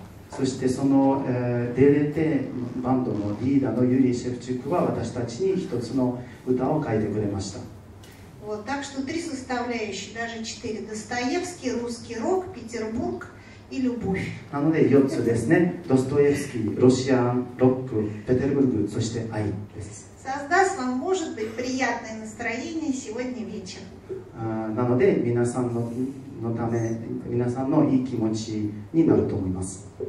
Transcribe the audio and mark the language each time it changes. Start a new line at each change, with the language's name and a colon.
Japanese: そしてその DDT バンドのリーダーのユリー・シェフチュクは私たちに一つの歌を書いてくれました。
Russian: Вот, так что три составляющие, даже четыре. Достоевский, русский рок, Петербург и любовь.
Japanese: なので4つですね。ドストエフスキー、ロシアン、ロック、ペテルブルク、そして愛です。
Russian: Создаст вам, может быть, приятное настроение сегодня вечером.
Japanese: なので皆さんのため、皆さんのいい気持ちになると思います。